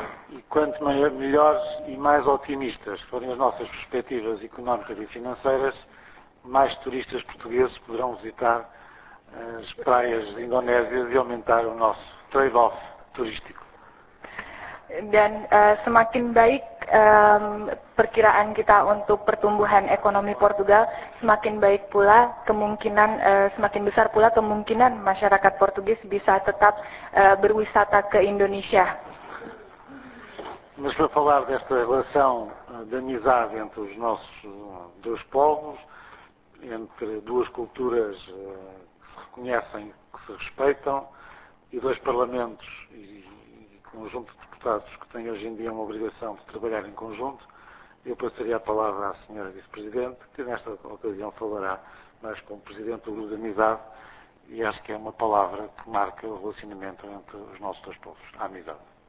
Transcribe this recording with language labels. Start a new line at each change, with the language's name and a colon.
Portuguese: E quanto melhores e mais otimistas forem as nossas perspectivas económicas e financeiras, mais turistas portugueses poderão visitar as praias da Indonésia e aumentar o nosso trade-off turístico.
Indonesian: Dan semakin baik perkiraan kita untuk pertumbuhan ekonomi Portugal, semakin besar pula kemungkinan masyarakat Portugis bisa tetap berwisata ke Indonesia.
Portuguese: Mas para falar desta relação de amizade entre os nossos dois povos, entre duas culturas conhecem, que se respeitam, e dois parlamentos e conjunto de deputados que têm hoje em dia uma obrigação de trabalhar em conjunto, eu passaria a palavra à senhora vice-presidente, que nesta ocasião falará mais como presidente do grupo de amizade, e acho que é uma palavra que marca o relacionamento entre os nossos dois povos, a amizade.